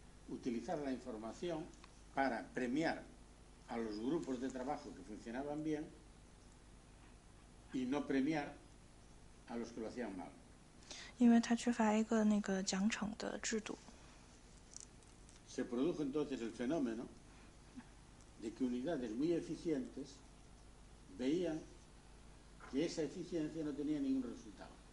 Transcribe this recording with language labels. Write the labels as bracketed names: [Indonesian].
[Spanish] Utilizar la información para premiar a los grupos de trabajo que funcionaban bien y no premiar a los que lo hacían mal. [Chinese] 因为它缺乏一个那个奖惩的制度。 [Spanish] Se produjo entonces el fenómeno de que unidades muy eficientes veían que esa eficiencia no tenía ningún resultado.